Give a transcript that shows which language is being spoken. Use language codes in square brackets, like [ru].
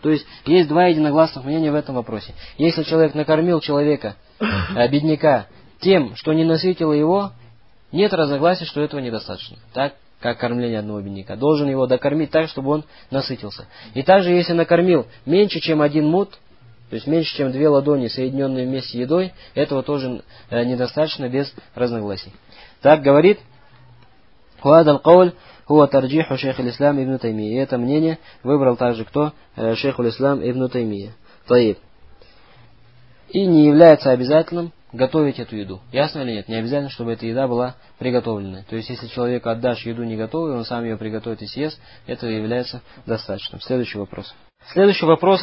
[ru] То есть, есть 2 единогласных мнения в этом вопросе. Если человек накормил человека, бедняка, тем, что не насытило его, нет разногласий, что этого недостаточно. Так? Как кормление одного бедняка. Должен его докормить так, чтобы он насытился. И также, если накормил меньше, чем один мут, то есть меньше, чем 2 ладони, соединенные вместе с едой, этого тоже недостаточно без разногласий. Так говорит [ar] وهذا القول هو ترجيح شيخ الإسلام ابن تيمية. [ru] Это мнение выбрал также кто? Шейх ислам ибн Таймия. [ar] طيب. [ru] И не является обязательным готовить эту еду. Ясно или нет? Не обязательно, чтобы эта еда была приготовлена. То есть, если человеку отдашь еду не готовую, он сам ее приготовит и съест, это является достаточным. Следующий вопрос. Следующий вопрос.